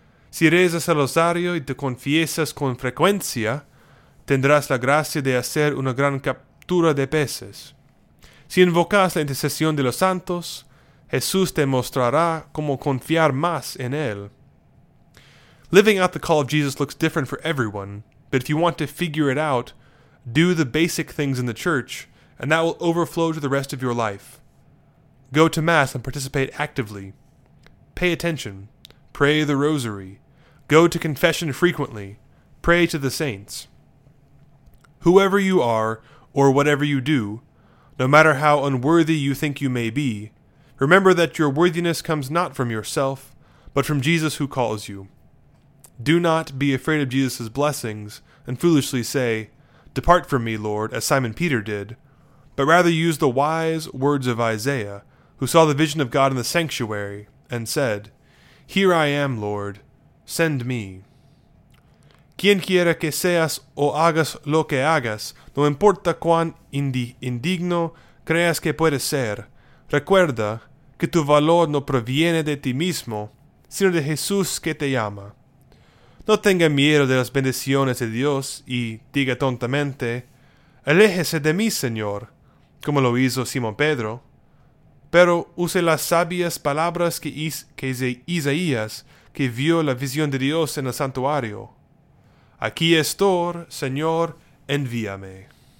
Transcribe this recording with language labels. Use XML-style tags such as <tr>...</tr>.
<es>Si rezas el rosario y te confiesas con frecuencia, tendrás la gracia de hacer una gran captura de peces. Si invocas la intercesión de los santos, Jesús te mostrará cómo confiar más en Él.</es> <en>Living out the call of Jesus looks different for everyone, but if you want to figure it out, do the basic things in the church, and that will overflow to the rest of your life. Go to Mass and participate actively. Pay attention. Pray the Rosary. Go to confession frequently. Pray to the saints. Whoever you are, or whatever you do, no matter how unworthy you think you may be, remember that your worthiness comes not from yourself, but from Jesus who calls you. Do not be afraid of Jesus' blessings, and foolishly say, "Depart from me, Lord," as Simon Peter did, but rather use the wise words of Isaiah, who saw the vision of God in the sanctuary, and said, "Here I am, Lord, send me."</en> <es>Quien quiera que seas o hagas lo que hagas, no importa cuán indigno creas que puedes ser, recuerda que tu valor no proviene de ti mismo, sino de Jesús que te llama. No tenga miedo de las bendiciones de Dios y diga tontamente, "Aléjese de mí, Señor", como lo hizo Simón Pedro, pero use las sabias palabras que Isaías, que vio la visión de Dios en el santuario. Aquí estoy, Señor, envíame.</es>